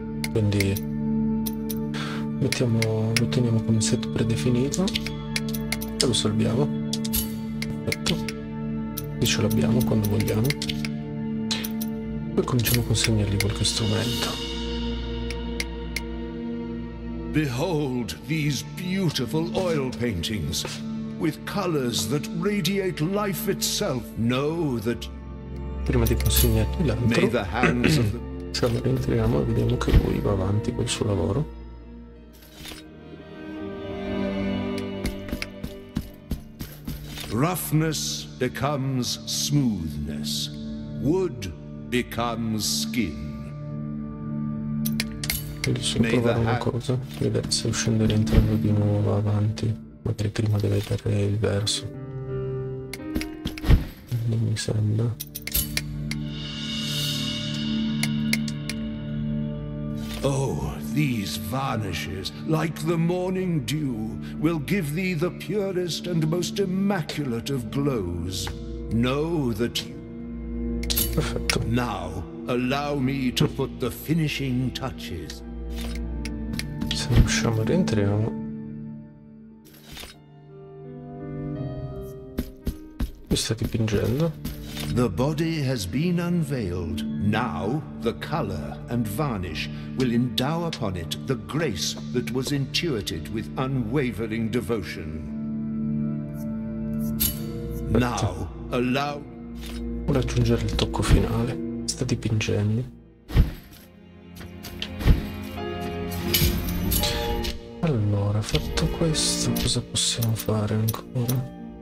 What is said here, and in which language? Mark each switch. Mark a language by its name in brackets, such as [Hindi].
[Italian] Quindi lo teniamo come set predefinito e lo salviamo. Perfetto. E ce l'abbiamo quando vogliamo. Poi cominciamo a consegnargli qualche strumento. [English] Behold these beautiful oil paintings with colors that radiate life itself. Know that. [Italian] Prima di consegnargli l'altro, ci rientriamo e vediamo che lui va avanti col suo lavoro. [English] Roughness becomes smoothness. Wood becomes skin. [Italian] Riesci a provare una cosa? Vedere se uscendo e entrando di nuovo avanti. Magari prima deve dare il verso. Non mi sembra. [English] Oh, these varnishes, like the morning dew, will give thee the purest and most immaculate of glows. Know that you... [Italian] Perfetto. [English] Now, allow me to put the finishing touches. [Italian] Se riusciamo, rientriamo. Mi sta dipingendo. [English] The body has been unveiled. Now the color and varnish will endow upon it the grace that was intuited with unwavering devotion. Now allow. [Italian] Vuole aggiungere il tocco finale. Sta dipingendo. Allora, fatto questo, cosa possiamo fare ancora?